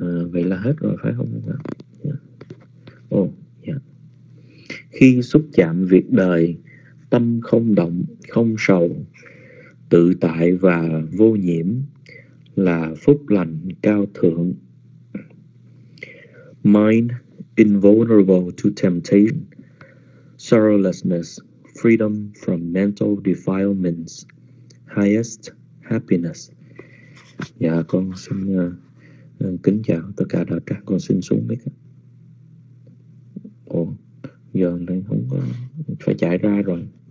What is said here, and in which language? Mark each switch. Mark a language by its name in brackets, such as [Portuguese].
[Vietnamese] Vậy là hết rồi phải không ạ? Khi xúc chạm việc đời, tâm không động, không sầu, tự tại và vô nhiễm là phúc lành cao thượng. [English] Mind invulnerable to temptation, sorrowlessness, freedom from mental defilements, highest happiness. [Vietnamese] Dạ, con xin kính chào tất cả đại ca, con xin xuống mic. Giờ này không có phải chạy ra rồi.